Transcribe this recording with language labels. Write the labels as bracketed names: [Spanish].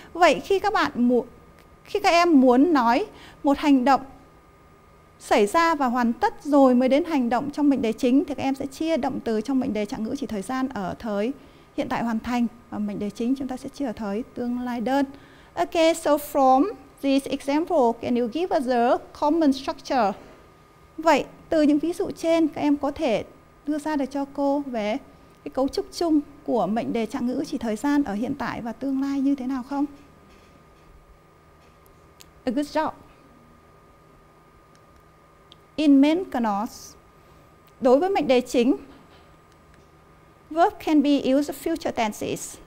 [Vietnamese] Vậy khi các em muốn nói một hành động xảy ra và hoàn tất rồi mới đến hành động trong mệnh đề chính thì các em sẽ chia động từ trong mệnh đề trạng ngữ chỉ thời gian ở thời hiện tại hoàn thành và mệnh đề chính chúng ta sẽ chia ở thời tương lai đơn. [English] Okay, so from this example, can you give us a common structure? [Vietnamese] Vậy từ những ví dụ trên các em có thể đưa ra được cho cô về cái cấu trúc chung của mệnh đề trạng ngữ chỉ thời gian ở hiện tại và tương lai như thế nào không? [English] A good job. In main clause, [Vietnamese] đối với mệnh đề chính, [English] verb can be used future tenses.